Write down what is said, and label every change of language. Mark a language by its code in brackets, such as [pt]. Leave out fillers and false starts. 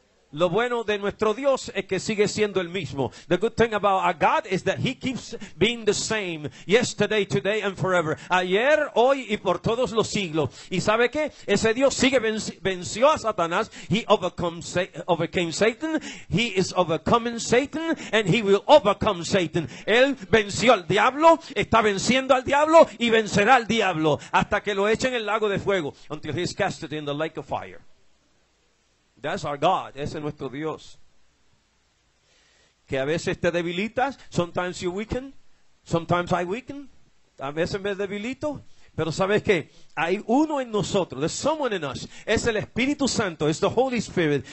[es] Lo bueno de nuestro Dios es que sigue siendo el mismo. [en] The good thing about our God is that He keeps being the same yesterday, today, and forever. [es] Ayer, hoy y por todos los siglos. ¿Y sabe qué? Ese Dios sigue venció a Satanás. [en] He overcame Satan. He is overcoming Satan. And He will overcome Satan. [es] Él venció al diablo, está venciendo al diablo y vencerá al diablo hasta que lo echen en el lago de fuego. [en] Until he is casted in the lake of fire. That's our God. [es] Ese es nuestro Dios. Que a veces te debilitas. [en] Sometimes you weaken. Sometimes I weaken. [es] A veces me debilito. Pero ¿sabes qué? Hay uno en nosotros. [en] There's someone in us. [es] Es el Espíritu Santo. [en] It's the Holy Spirit.